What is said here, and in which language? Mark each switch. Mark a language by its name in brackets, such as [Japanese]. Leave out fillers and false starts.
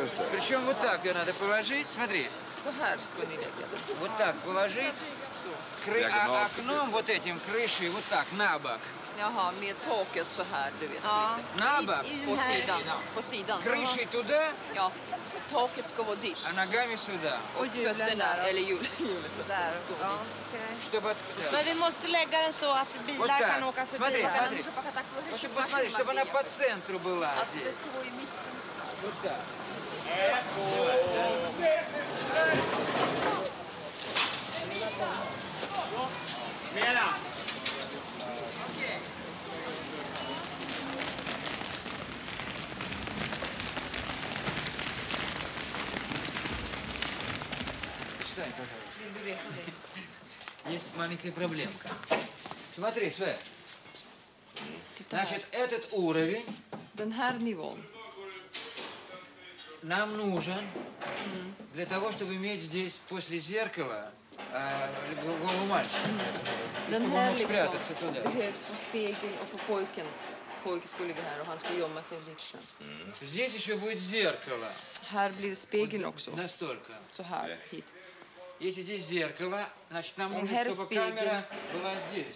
[Russian] Причем вот так ее надо положить, смотри. [Swedish] Så här ska ni lägga det. [Russian] Вот так положить. лицо. Окном вот этим крышей вот так на бок. [Swedish] Ага, med taket så här, du vet. [Russian] На бок. По сидам. Крышей туда? [Swedish] Ja. Taket ska vara dit. [Russian] А ногами сюда. [Swedish] Fötterna eller hjulet. Där. Ja, okay. [Russian] Чтобы. [Swedish] Men vi måste lägga den så att bilar kan åka förbi. [Russian] Смотри, смотри. Чтобы посмотреть, чтобы она по центру была. А ты скажи, вы имеете? Вот так. Vera! Что это? Вилбюрехады. Есть маленькая проблемка. Смотри, Све. Значит, этот уровень... [Swedish] Den här nivån. [Russian] Нам нужен для того, чтобы иметь здесь после зеркала голову мальчика. [Swedish] Den [Russian] чтобы он мог спрятаться [Swedish] liksom, [Russian] туда. [Swedish] Behövs för spegel och för pojken. Pojken skulle ligga här och han ska gömma sig liksom. [Russian] Здесь еще будет зеркало. [Swedish] Här blir spegel också. [Russian] Настолько. [Swedish] Så här, hit. [Russian] Если здесь зеркало, значит, нам нужно, чтобы spegel, камера была здесь.